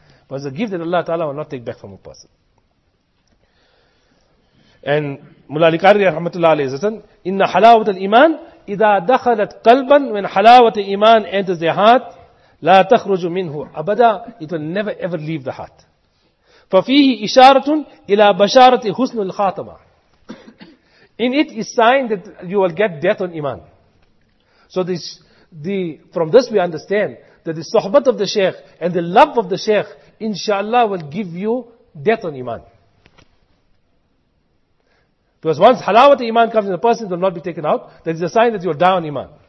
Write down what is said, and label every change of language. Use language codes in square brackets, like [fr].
[en] But it's a gift that Allah Ta'ala will not take back from a person. And Mullah Al-Qari rahmatullah alayhi has written, [ar] inna halawati al-iman idha dakhalat qalban, [en] when halawati iman enters their heart, [ar] لا تخرج منه أبدا. [en] It will never ever leave the heart. [ar] ففيه إشارة إلى بشارة حسن الخاتمة. [en] In it is sign that you will get death on iman. So this, the from this we understand that the sohbat of the sheikh and the love of the sheikh, inshallah, will give you death on iman. Because once halawat iman comes in, the person will not be taken out. That is a sign that you will die on iman.